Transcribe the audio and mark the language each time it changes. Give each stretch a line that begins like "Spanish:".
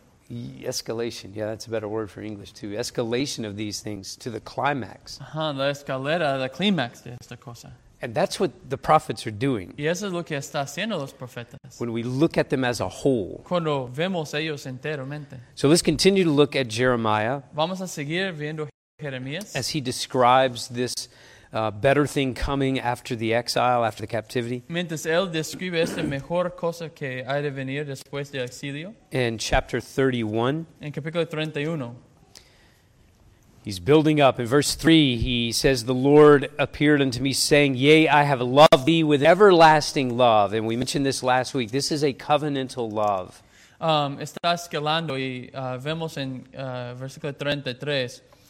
English: Escalation, yeah, that's a better word for English too. Escalation of these things to the climax.
Spanish: La escalera,
English: the climax
Spanish: de esta cosa.
English: And that's what the prophets are doing.
Spanish: Y eso es lo que está haciendo los profetas.
English: When we look at them as a whole.
Spanish: Cuando vemos ellos enteramente.
English: So let's continue to look at Jeremiah.
Spanish: Vamos a seguir viendo Jeremías.
English: As he describes this better thing coming after the exile, after the captivity.
Spanish: Mientras él describe esta mejor cosa que ha de venir después del exilio.
English: In chapter 31.
Spanish: En capítulo 31.
English: He's building up. In verse 3, he says, "The Lord appeared unto me, saying, Yea, I have loved thee with everlasting love." And we mentioned this last week. This is a covenantal love.
Spanish: Está escalando y vemos en versículo 33.